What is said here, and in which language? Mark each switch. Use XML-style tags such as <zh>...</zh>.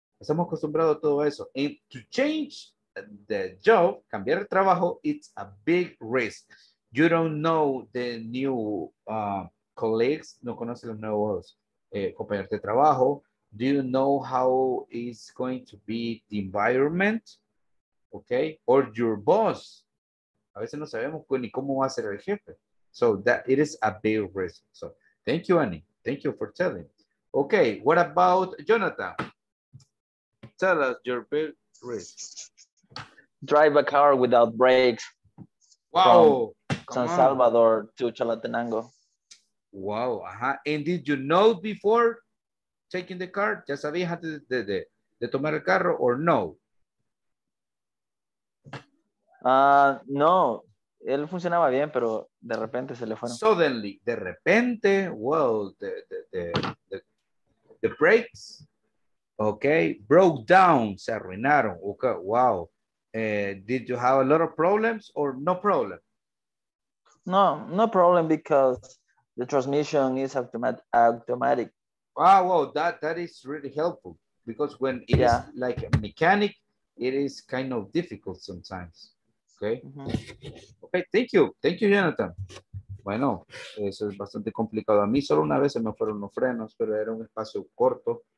<es>Estamos acostumbrados a todo eso.</es> <en>And to change the job,</en> <es>cambiar el trabajo, it's a big risk.</es> <en>You don't know the new colleagues,</en> <es>no conoces los nuevos compañeros de trabajo.</es> <en>Do you know how it's going to be the environment? Okay, or your boss.</en> <es>A veces no sabemos ni cómo va a ser el jefe.</es> <en>So that it is a big risk. So thank you, Annie. Thank you for telling. Okay, what about Jonathan? Tell us your big risk. Drive a car without brakes. Wow. San Salvador to Chalatenango. Wow. Uh-huh. And did you know before taking the car?</en> <es>¿Ya sabías antes de tomar el carro</es> <en>or no?</en> <es>No. Él funcionaba bien, pero de repente se le fueron.</es> <en>Suddenly.</en> <es>De repente.</es> <en>Well, the brakes. Okay. Broke down.</en> <es>Se arruinaron.</es> <en>Okay. Wow. Did you have a lot of problems or no problem? No, no problem because the transmission is automatic. Wow, wow, that is really helpful because when it is like a mechanic, it is kind of difficult sometimes. Okay. Mm-hmm. Okay, thank you. Thank you, Jonathan.</en> <es>Bueno, eso es bastante complicado. A mí solo una vez se me fueron los frenos, pero era un espacio corto.</es>